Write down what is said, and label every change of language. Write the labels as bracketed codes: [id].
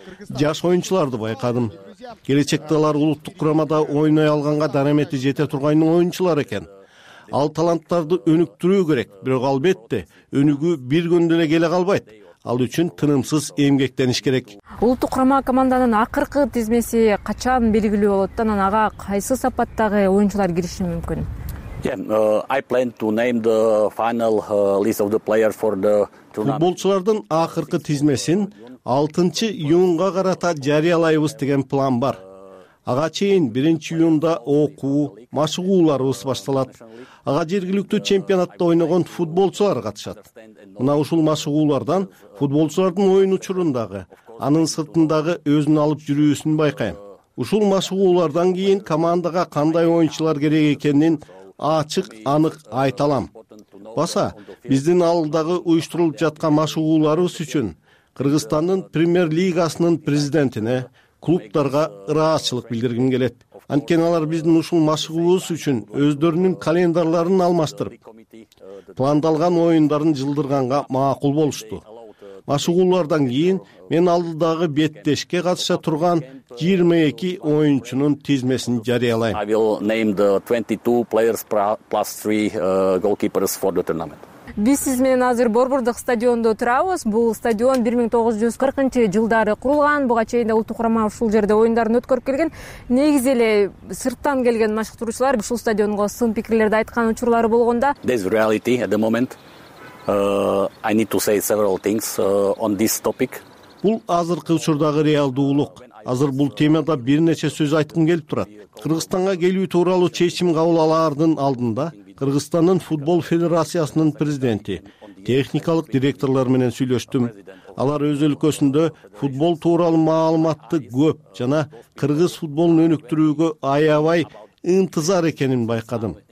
[ky] Жаш оюнчуларды байкадым. Келечекте алар улуттук курамада ойной алганга дарамети жете турган оюнчулар экен. Ал таланттарды өнүктүрүү керек, бирок албетте өнүгүү бир күндө эле келе калбайт. Ал үчүн тынымсыз эмгектениш керек. Улуттук курама командасынын акыркы тизмеси качан белгилүү болот? Анан ага кайсы сапаттагы оюнчулар кириши мүмкүн? [en] Yeah, I plan to name the final list of the players for the tournament. [ky] Футболчулардын акыркы тизмесин 6 июнга карата жарыялайбыз деген план бар. Ага чейин 1 июнда окуу, машыгууларыбыз башталат. Ага жергиликтүү чемпионатта ойногон футболчулар катышат. Мына ушул машыгуулардан футболчулардын оюн учурундагы, анын сыртындагы өзүн алып жүрүүсүн байкайм. Ушул машыгуулардан кийин командага кандай оюнчулар керек экенин ачык анык айта алам. Баса, биздин алдагы уюштурулуп жаткан машыгууларыбыз үчүн Кыргызстандын Премьер Лигасынын президентине, клубдарга ыраазычылык билдиргим келет. Анткени алар биздин ушул машыгуубуз үчүн өздөрүнүн календарларын алмаштырып, пландалган оюндарын жылдырганга макул болушту. Машыгуулардан кийин мен алдыдагы беттешке катыша турган 22 оюнчунун тизмесин жарыялайм. [en] I will name the 22 players plus 3 goalkeepers for the tournament. [ky] Биз сиз менен азыр Борбордук стадиондо турабыз. Бул стадион 1940 жылдары курулган. Буга чейин да улуттук курама ушул жерде оюндарын өткөрүп келген. Негизи эле сырттан келген машыктыруучулар ушул стадионго сын пикирлерди айткан учурлары болгондо. [en] This reality at the moment. I need to say several things on this topic. [ky] Бул азыркы учурдагы реалдуулук. Азыр бул темада бир нече сөз айткым келип турат. Кыргызстанга келүү тууралуу чечим кабыл алаардын алдында Кыргызстандын футбол федерациясынын президенти, техникалык директорлор менен сүйлөштүм. Алар өз өлкөсүндө футбол тууралуу маалыматты көп жана кыргыз футболун өнүктүрүүгө аябай ынтызар экенин байкадым.